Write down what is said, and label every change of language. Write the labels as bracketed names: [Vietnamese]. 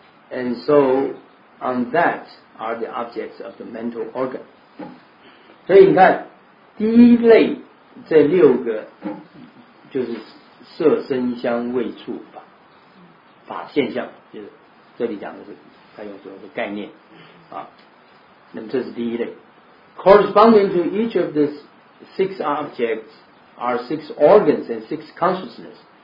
[English] And so on that are the objects of the mental organ. [Chinese] 所以你看第一类这六个就是色、声、香、味、触法，法现象，就是这里讲的是它有所谓的概念啊。那么这是第一类 [English] corresponding to each of this six objects are six organs and six consciousness.